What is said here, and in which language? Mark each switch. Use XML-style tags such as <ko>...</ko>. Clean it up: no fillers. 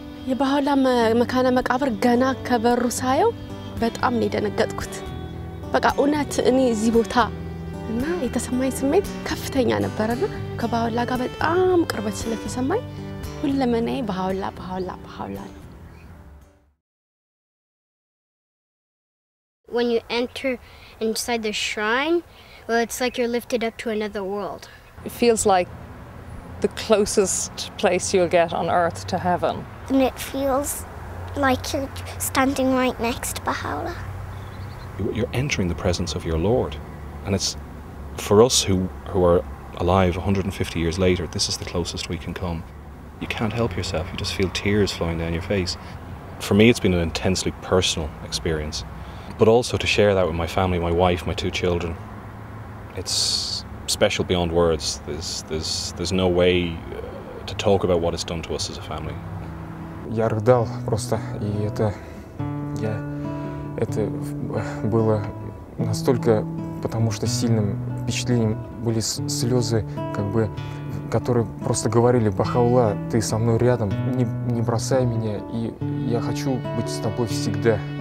<am>የባህላ መካነ መቃብር ገና ከበሩ ሳየው በጣም ነው ደነገጥኩት በቃ ኡነት እኔ እዚህ ቦታ እና የተሰማኝ ስሜት ከፍተኛ ነበርና ከባህላ ጋር በጣም ቅርበት ስለተሰማኝ ሁለመናዬ ባህላ ባህላ ባህላ ነው</am> <en>When you enter inside the shrine, well, it's like you're lifted up to another world. It feels like the closest place you'll get on earth to heaven. And it feels like you're standing right next to Baha'u'llah. You're entering the presence of your Lord. And it's, for us who are alive 150 years later, this is the closest we can come. You can't help yourself. You just feel tears flowing down your face. For me, it's been an intensely personal experience. But also to share that with my family, my wife, my two children, it's special beyond words. There's no way to talk about what it's done to us as a family.</en> <ru>Я рыдал просто, и это я это было настолько, потому что сильным впечатлением были слезы, как бы, которые просто говорили: Баха'у'лла, ты со мной рядом, не бросай меня, и я хочу быть с тобой всегда.</ru>